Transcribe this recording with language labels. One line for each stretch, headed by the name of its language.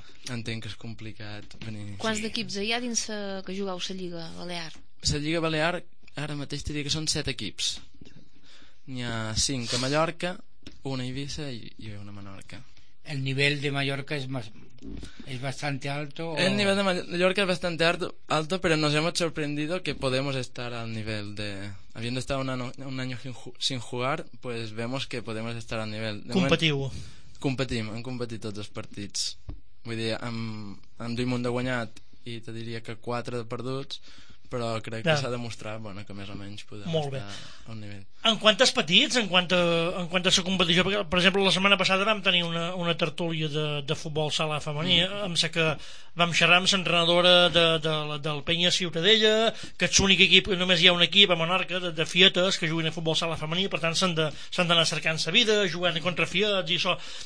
Catalan: Entenc que és complicat venir. Quants d'equips hi ha dins que jugueu la Lliga Balear? La Lliga Balear ara mateix diria que són 7 equips. N'hi ha 5 a Mallorca, una a Eivissa i una a Menorca. El nivell de Mallorca és més...
Spanish: ¿Es bastante alto? O... El nivel de Mallorca es bastante alto, pero nos hemos sorprendido que podemos estar al nivel de... Habiendo estado un año sin jugar, pues vemos que podemos estar al nivel... Competimos, han competido todos los partidos.
Catalan: Vull dir, amb un munt de guanyat i te diria que 4 de perduts, però crec que s'ha demostrat, bueno, que més o menys podem estar a un nivell. En quant a petits, en quant a la competició, per exemple, la setmana passada vam tenir una tertúlia de futbol sala femení, amb la que vam xerrar amb l'entrenadora del Penya Ciutadella, que és l'únic equip, només hi ha un equip a Menorca de fietes que juguin a futbol sala femení, per tant s'han d'anar cercant sa vida, jugant contra fiets i això.